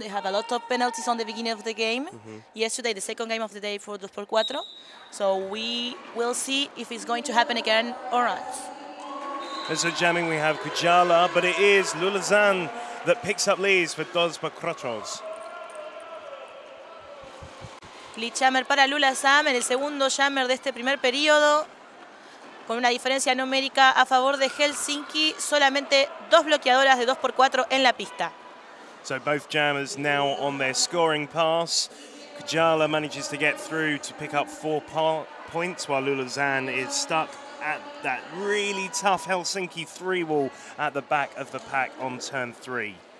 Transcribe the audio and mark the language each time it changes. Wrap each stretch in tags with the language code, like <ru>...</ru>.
<en>They have a lot of penalties on the beginning of the game. Mm-hmm. Yesterday, the second game of the day for Dodsburg Crochos. So we will see if it's going to happen again or not. And so jamming, we have Kujala, but it is Lulazan that picks up leads for Dodsburg Crochos.</en> <es>Lead jammer para Lula Sam, el segundo jammer de este primer periodo, con una diferencia numérica a favor de Helsinki, solamente dos bloqueadoras de 2x4 en la pista.</es> <en>So both jammers now on their scoring pass. Kujala manages to get through to pick up 4 points, while Lula Zan is stuck at that really tough Helsinki three wall at the back of the pack on turn three.</en>